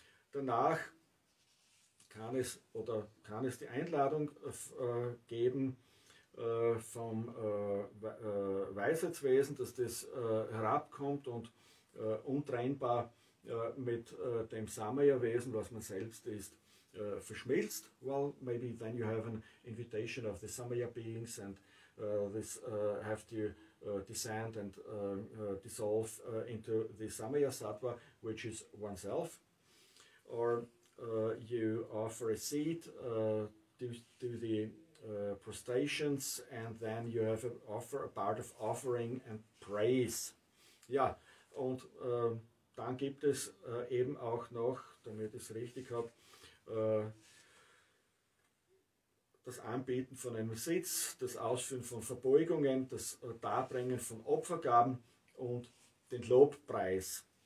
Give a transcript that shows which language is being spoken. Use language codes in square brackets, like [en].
[de] Danach kann es die Einladung geben vom Weisheitswesen, dass das herabkommt und untrennbar mit dem Samaya-Wesen, was man selbst ist, verschmilzt. [en] Well, maybe then you have an invitation of the Samaya beings and this have to descend and dissolve into the Samaya Sattva, which is oneself. Or you offer a seat, do the prostrations, and then you have a part of offering and praise. [de] Ja, und dann gibt es eben auch noch, damit ich es richtig habe, das Anbieten von einem Sitz, das Ausführen von Verbeugungen, das Darbringen von Opfergaben und den Lobpreis.